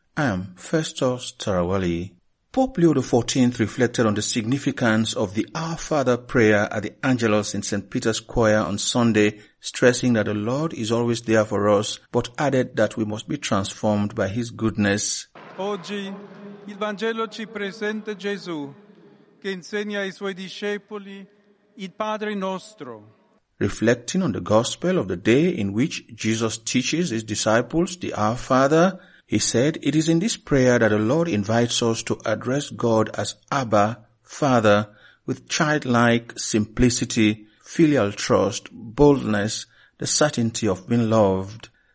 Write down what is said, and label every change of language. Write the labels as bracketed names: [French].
[English] I am Festus Tarawali. Pope Leo XIV reflected on the significance of the Our Father prayer at the Angelus in St. Peter's Choir on Sunday, stressing that the Lord is always there for us, but added that we must be transformed by His goodness. [Italian] Oggi il Vangelo ci presenta Gesù, che insegna ai suoi discepoli il Padre nostro. [English] Reflecting on the gospel of the day in which Jesus teaches His disciples the Our Father, He said, it is in this prayer that the Lord invites us to address God as Abba, Father, with childlike simplicity, filial trust, boldness, the certainty of being loved.